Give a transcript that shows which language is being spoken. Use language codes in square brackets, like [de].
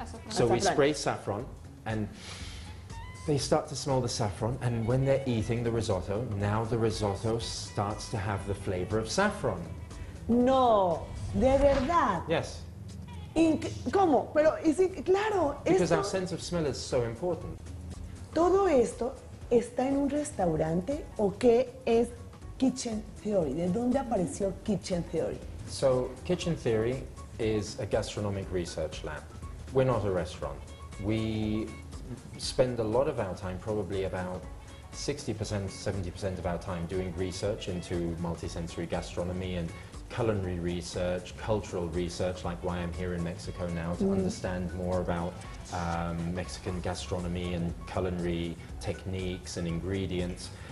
[en] So we spray saffron and they start to smell the saffron, and when they're eating the risotto, now the risotto starts to have the flavor of saffron. [es] No, de verdad. [en] Yes. [es] ¿Cómo? Pero, [en] is it, [es] claro, [en] Because [es] esto, [en] our sense of smell is so important. [es] ¿Todo esto está en un restaurante o qué es Kitchen Theory? ¿De dónde apareció Kitchen Theory? [en] So, Kitchen Theory is a gastronomic research lab. We're not a restaurant. We spend a lot of our time, probably about 60%, 70% of our time, doing research into multisensory gastronomy and culinary research, cultural research, like why I'm here in Mexico now, to understand more about Mexican gastronomy and culinary techniques and ingredients.